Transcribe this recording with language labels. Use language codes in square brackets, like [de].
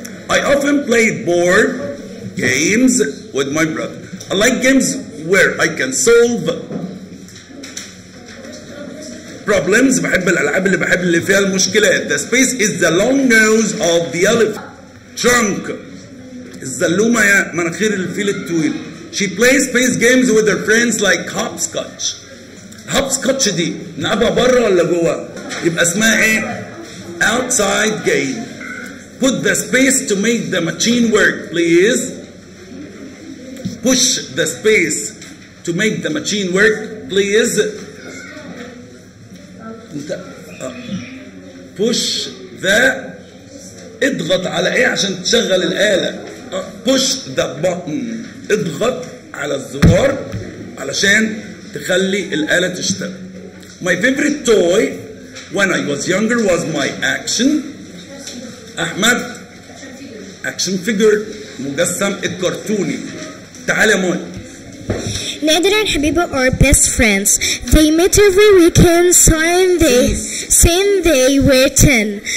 [en] I often play board games with my brother. I like games where I can solve problems. [ar] بحب الألعاب اللي بحب اللي فيها المشكلات. [en] The space is the long nose of the elephant. Trunk. [ar] الزلومة يا مناخير الفيل الطويل. [en] She plays space games with her friends like hopscotch. [ar] Hopscotch دي نلعبها برا ولا جوا؟ يبقى اسمها ايه؟ [en] Outside game. Put the space to make the machine work, please. Push the space to make the machine work, please. Push the... [ar] اضغط على ايه عشان تشغل الآلة. [en] Push the button. [ar] اضغط على الزرار علشان تخلي الآلة تشتغل. [en] My favorite toy when I was younger was my action. [ar] أحمد. [en] Action figure. [ar] مجسم الكرتوني. تعال يا مول. [en] Nadir and Habiba are best friends. They met every weekend since they were 10.